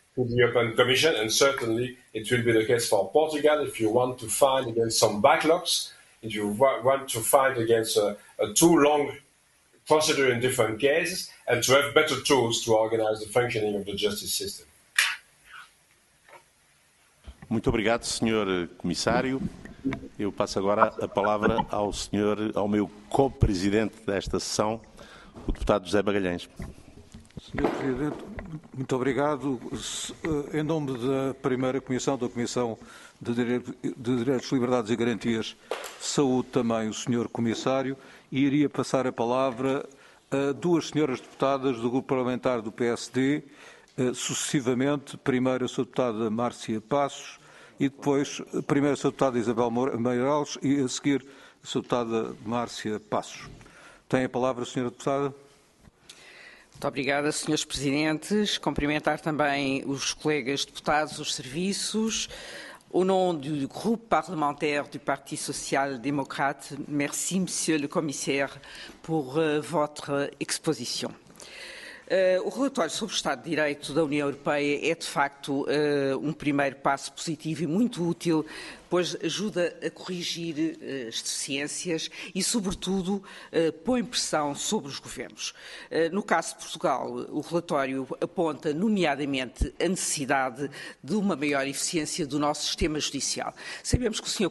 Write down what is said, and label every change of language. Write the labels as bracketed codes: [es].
[en] to the European Commission, and certainly it will be the case for Portugal. If you want to fight against some backlogs, if you want to fight against a too long procedure in different cases, and to have better tools to organize the functioning of the justice system. [pt] Muito obrigado, Sr. Comissário. Eu passo agora a palavra ao senhor, ao meu co-presidente desta sessão, o deputado José Magalhães. Senhor Presidente, muito obrigado. Em nome da primeira Comissão, da Comissão de Direitos, Liberdades e Garantias, saúdo também o senhor Comissário e iria passar a palavra a duas senhoras deputadas do Grupo Parlamentar do PSD, sucessivamente, primeiro a sua deputada Márcia Passos e depois primeiro a sua deputada Isabel Meireles e a seguir a sua deputada Márcia Passos. Tem a palavra, senhora deputada. Muito obrigada, senhores Presidentes. Cumprimentar também os colegas deputados, os serviços. [fr] Au nom du groupe parlementaire du Parti social-démocrate, merci, monsieur le commissaire, pour votre exposition. [pt] O relatório sobre o Estado de Direito da União Europeia é, de facto, um primeiro passo positivo e muito útil, pois ajuda a corrigir as deficiências e, sobretudo, põe pressão sobre os governos. No caso de Portugal, o relatório aponta, nomeadamente, a necessidade de uma maior eficiência do nosso sistema judicial. Sabemos que o Sr.